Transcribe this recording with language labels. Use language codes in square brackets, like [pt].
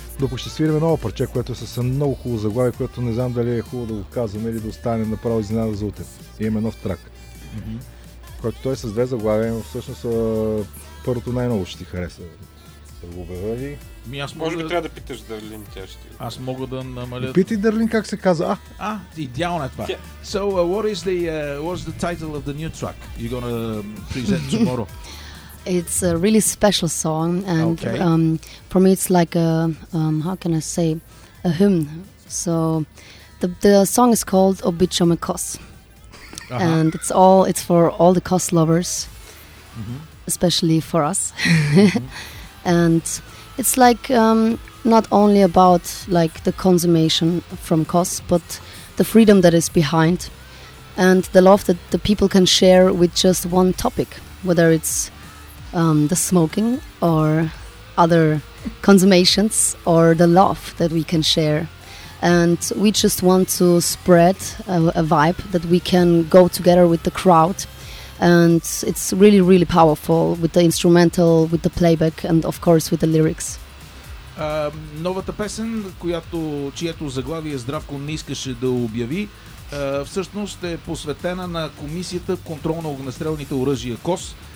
[bg] Докато ще свирим ново парче, което е с много хубаво заглавие, което не знам дали е хубаво да го казваме или да останем направо изненада за утре. Имаме нов трак. Mm-hmm. Който той е с 2 заглавия, но всъщност първото най-ново ще ти хареса. Да го обявя ли? Може би трябва да питаш Дарлин, тя ще ти. Аз мога да намаля... Питай Дарлин как се казва. А, идеално е това. [en] So, what is the title of the new track you're gonna present tomorrow? It's a really special song, and okay. For me it's like a how can I say, a hymn. So the song is called Obicho Me Kos. And it's for all the Kos lovers, mm-hmm. especially for us. Mm-hmm. And it's like not only about like the consummation from Kos, but the freedom that is behind and the love that the people can share with just one topic, whether it's the smoking or other consummations or the love that we can share. And we just want to spread a vibe that we can go together with the crowd. And it's really, really powerful with the instrumental, with the playback and of course with the lyrics. [bg] Новата песен, чието заглавие Здравко не искаше да обяви, всъщност е посветена на Комисията контрол на огнестрелните оръжия КОС.